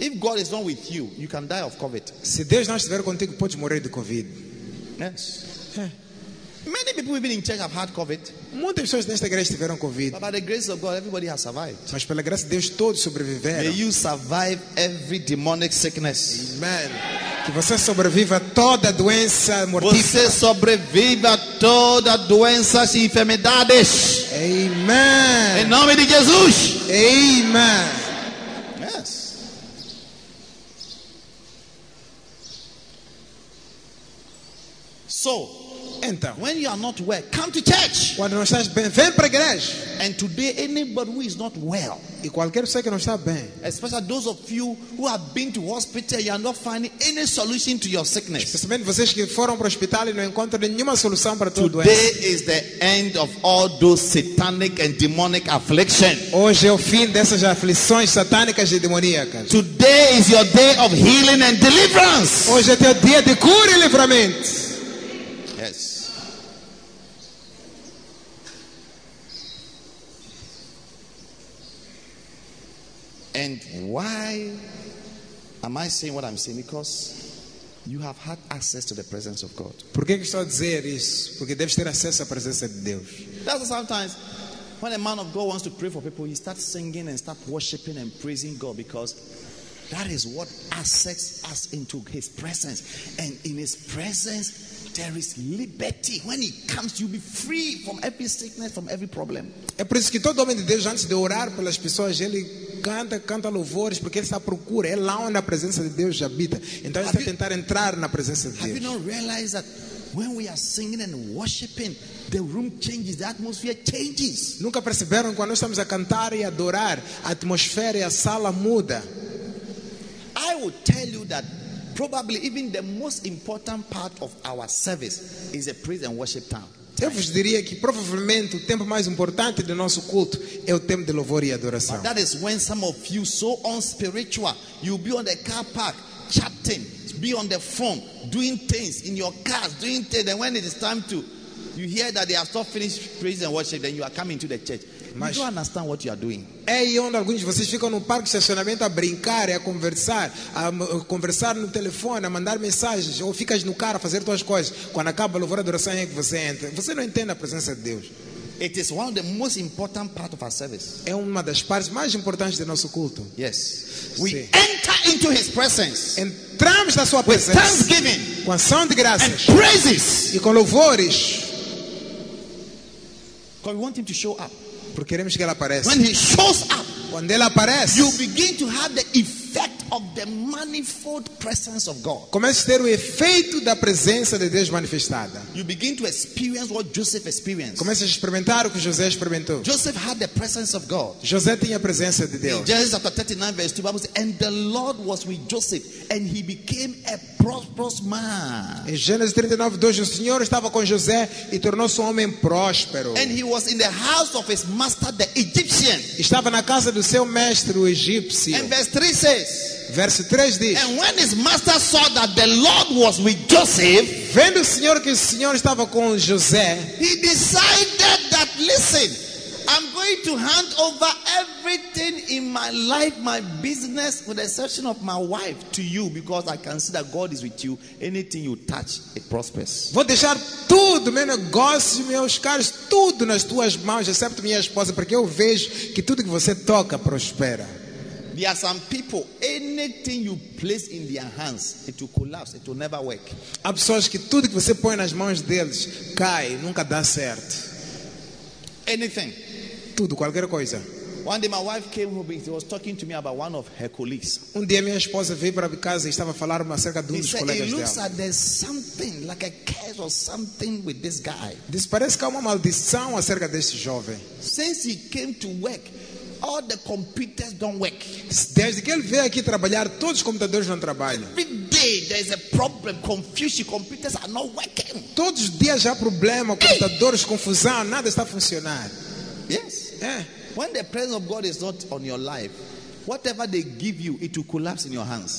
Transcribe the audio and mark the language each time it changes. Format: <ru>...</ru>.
<en>If God is not with you, you can die of COVID.</en> <pt>Se Deus não estiver contigo, pode morrer de COVID.</pt> <en>Yes. Many people even in church have had COVID.</en> <pt>Muitas pessoas nesta igreja tiveram COVID.</pt> <en>But by the grace of God, everybody has survived.</en> <pt>Mas pela graça de Deus, todos sobreviveram.</pt> <en>May you survive every demonic sickness.</en> <pt>Amen. Que você sobreviva toda doença mortífera. Você sobreviva toda doença e enfermidades. Amen. Em nome de Jesus. Amen.</pt> <en>So,</en> <pt>então,</pt> <en>when you are not well, come to church.</en> <pt>Quando não estás bem, vem para a igreja.</pt> <en>And today, anybody who is not well,</en> <pt>e qualquer pessoa que não está bem,</pt> <en>especially those of you who have been to hospital, you are not finding any solution to your sickness.</en> <pt>Especialmente vocês que foram para o hospital e não encontram nenhuma solução para tudo.</pt> <en>Today is the end of all those satanic and demonic afflictions.</en> <pt>Hoje é o fim dessas aflições satânicas e demoníacas.</pt> <en>Today is your day of healing and deliverance.</en> <pt>Hoje é teu dia de cura e livramento.</pt> <en>Yes. And why am I saying what I'm saying? Because you have had access to the presence of God.</en> <pt>Por que estou a dizer isso? Porque deves ter acesso à presença de Deus.</pt> <en>That's sometimes when a man of God wants to pray for people, he starts singing and starts worshiping and praising God, because that is what accepts us into his presence. And in his presence, there is liberty. When he comes, you'll be free from every sickness, from every problem.</en> <pt>É por isso que todo homem de Deus, antes de orar pelas pessoas, ele canta, canta louvores, porque ele está à procura. É lá onde a presença de Deus habita. Então, ele está a tentar entrar na presença de Deus.</pt> <en>Have you not realized that when we are singing and worshiping, the room changes, the atmosphere changes?</en> <pt>Nunca perceberam quando estamos a cantar e adorar, a atmosfera e a sala muda?</pt> <en>I will tell you that probably even the most important part of our service is a praise and worship time.</en> <pt>Eu vos diria que provavelmente o tempo mais importante do nosso culto é o tempo de louvor e adoração.</pt> <en>But that is when some of you so unspiritual, you'll be on the car park chatting, be on the phone doing things in your cars, doing things, and when it is time to, you hear that they have stopped finished praise and worship, then you are coming to the church.</en> <pt>Mas</pt> <en>you don't understand what you are doing.</en> <pt>É onde alguns de vocês ficam no parque de estacionamento a brincar, a conversar no telefone, a mandar mensagens, ou ficas no carro a fazer tuas coisas. Quando acaba a louvor e adoração é que você entra. Você não entende a presença de Deus.</pt> <en>It is one of the most important part of our service.</en> <pt>É uma das partes mais importantes do nosso culto.</pt> <en>Yes. We enter into his presence.</en> <pt>Entramos na sua presença.</pt> <en>With thanksgiving.</en> <pt>Com ação de graças.</pt> <en>And praises.</en> <pt>E com louvores.</pt> <en>Because we want him to show up.</en> <pt>Porque queremos que ele apareça.</pt> <en>When he shows up,</en> <pt>quando ele aparece,</pt> <en>you begin to have the effect of the manifold presence of God.</en> <pt>Começa a ter o efeito da presença de Deus manifestada.</pt> <en>You begin to experience what Joseph experienced.</en> <pt>Começa a experimentar o que José experimentou.</pt> <en>Joseph had the presence of God.</en> <pt>José tinha a presença de Deus.</pt> <en>In Genesis chapter 39 verse 2, Bible says, "And the Lord was with Joseph, and he became a prosperous man."</en> <pt>Em Gênesis 39:2, o Senhor estava com José e tornou-se um homem próspero.</pt> <en>And he was in the house of his master, the Egyptian.</en> <pt>Estava na casa do seu mestre, o egípcio.</pt> <en>And verse 3 says.</en> <pt>Verso 3 diz.</pt> <en>And when his master saw that the Lord was with Joseph,</en> <pt>vendo o Senhor que o Senhor estava com José,</pt> <en>he decided that, listen, I'm going to hand over everything in my life, my business, with the exception of my wife, to you, because I can see that God is with you. Anything you touch, it prospers.</en> <pt>Vou deixar tudo, meu negócio, meus caros, tudo nas tuas mãos, exceto minha esposa, porque eu vejo que tudo que você toca prospera.</pt> <en>There are some people, anything you place in their hands, it will collapse, it will never work.</en> <pt>Há pessoas que tudo que você põe nas mãos deles cai, nunca dá certo.</pt> <en>Anything.</en> <pt>Tudo, qualquer coisa.</pt> <en>One day my wife came home and she was talking to me about one of her colleagues.</en> <pt>Um dia minha esposa veio para casa e estava a falar acerca de um dos colegas dela.</pt> <en>He looks like there's something, like a curse or something with this guy.</en> <pt>Diz, parece que há uma maldição acerca desse jovem.</pt> <en>Since he came to work, all the computers don't work.</en> <pt>Desde que ele veio aqui trabalhar, todos os computadores não trabalham.</pt> <en>Every day there is a problem, confusion, computers are not working.</en> <pt>Todos os dias há problema, computadores, confusão, nada está a funcionar.</pt> <en>Yes. When the presence of God is not on your life, whatever they give you, it will collapse in your hands.</en>